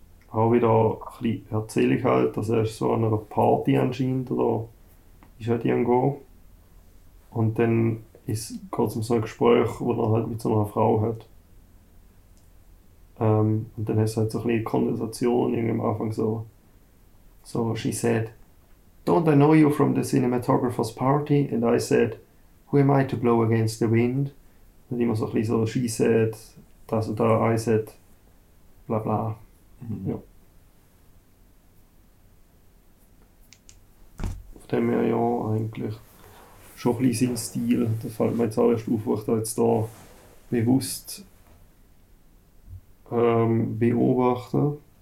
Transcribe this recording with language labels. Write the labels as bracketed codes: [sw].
[de] Auch wieder ein bisschen erzählig halt, dass er so an einer Party anscheinend oder ist halt irgendwo. Und dann geht es um so ein Gespräch, wo er halt mit so einer Frau hat. Und dann hast du halt so ein bisschen Konversation irgendwie am Anfang so. [en] So she said, "Don't I know you from the cinematographer's party?" And I said, "Who am I to blow against the wind?" [de] Und immer so ein bisschen so, [en] she said, [de] das und das, [en] I said, [de] bla bla. Mhm. Ja. Auf dem her ja eigentlich schon ein bisschen sein Stil. Da fällt mir jetzt auch erst auf, wo ich da jetzt da bewusst beobachte.